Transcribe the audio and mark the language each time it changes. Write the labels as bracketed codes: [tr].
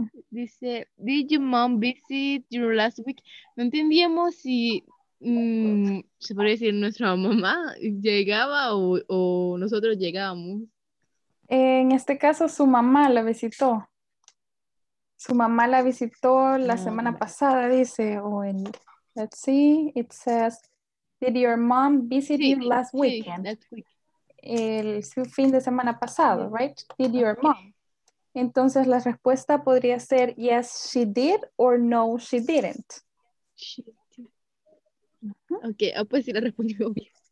[en] Dice, did your mom visit you last week? [es] No entendíamos si se puede decir nuestra mamá llegaba o nosotros llegábamos. En este caso, su mamá la visitó. Su mamá la visitó la semana pasada, dice. [en] Let's see, it says, did your mom visit you last weekend? [es] Su fin de semana pasado, right? [en] Did your mom? [es] Entonces, la respuesta podría ser, [en] yes, she did, or no, she didn't. She did. [es] Uh-huh. Okay, pues sí la respondió bien.